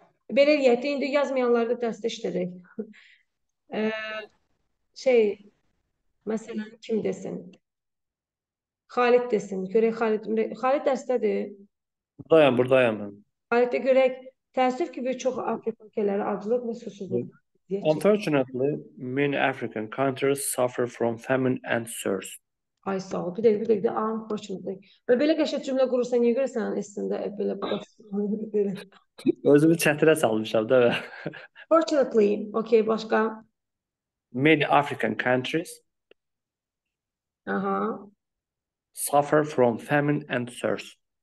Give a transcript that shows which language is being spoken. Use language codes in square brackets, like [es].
[az] Belə eləyək de, indi yazmayanları da dəstək edək. şey, məsələn, kim desin? Xalid desin. Görək, Xalid dərsdədir. Buradayım, buradayım. Xalid de görək, təəssüf ki, bir çox Afrika ölkələri aclıq və susuzluq. [en] Unfortunately, many African countries suffer from famine and thirst. [az] Ay sağ ol. Bir dəqiqə. Unfortunately. Və belə qəşət cümlə qurursan, niyə görəsən əslində belə bu özümü çətirə salmışam da. Fortunately. Okay, başqa. [en] Many African countries suffer from famine and thirst.